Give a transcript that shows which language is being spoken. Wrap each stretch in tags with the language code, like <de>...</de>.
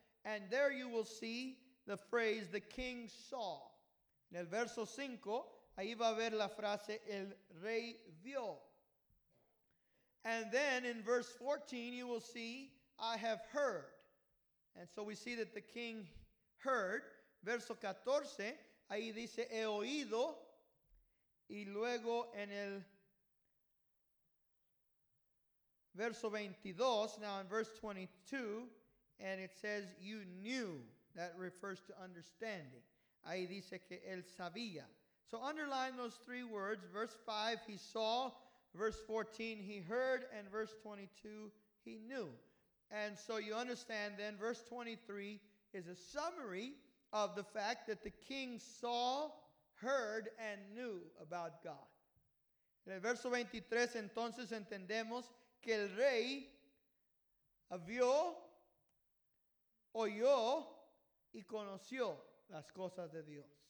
<en>And there you will see the phrase, the king saw.</en> <es>En el verso 5, ahí va a ver la frase, el rey vio.</es> <en>And then in verse 14, you will see, I have heard. And so we see that the king heard.</en> <es>Verso 14, ahí dice, he oído. Y luego en el verso 22,</es> <en>now in verse 22, and it says, you knew. That refers to understanding.</en> <es>Ahí dice que él sabía.</es> <en>So underline those three words. Verse 5, he saw. Verse 14, he heard. And verse 22, he knew. And so you understand then, verse 23 is a summary of the fact that the king saw, heard, and knew about God.</en> <es>En el verso 23, entonces entendemos que el rey vio, oyó, y conoció las cosas de Dios.</es>